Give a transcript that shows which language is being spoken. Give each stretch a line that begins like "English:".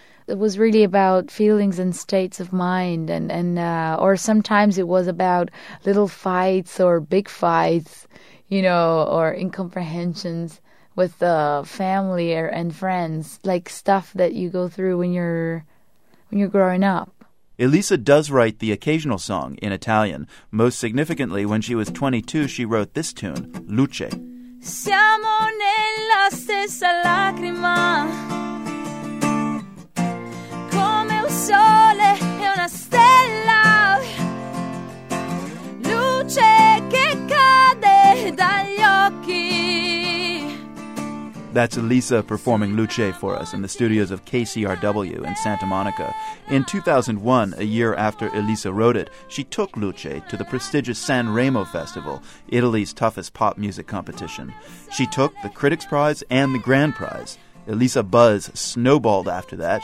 English: It was really about feelings and states of mind, or sometimes it was about little fights or big fights, you know, or incomprehensions with family and friends, like stuff that you go through when you're growing up. Elisa does write the occasional song in Italian. Most significantly, when she was 22, she wrote this tune, Luce.
Italian: Siamo nella stessa lacrima. Sole e una stella, luce che cade dagli occhi.
English: That's Elisa performing Luce for us in the studios of KCRW in Santa Monica. In 2001, a year after Elisa wrote it, she took Luce to the prestigious San Remo Festival, Italy's toughest pop music competition. She took the Critics' Prize and the Grand Prize. Elisa Buzz snowballed after that.